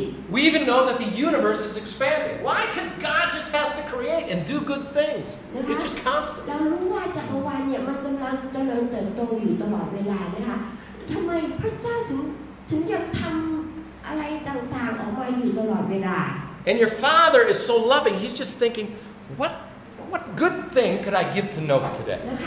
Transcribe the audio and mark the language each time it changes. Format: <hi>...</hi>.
<en>We even know that the universe is expanding. Why? Because God just has to create and do good things. It's just constant.</en> <th>เรารู้ว่าจักรวาลเนี่ยมันกำลังเจริญเติบโตอยู่ตลอดเวลานะคะทำไมพระเจ้าถึงอยากทำอะไรต่างๆออกมาอยู่ตลอดเวลา</th> <en>And your father is so loving. He's just thinking, what good thing could I give to Noah today?</en>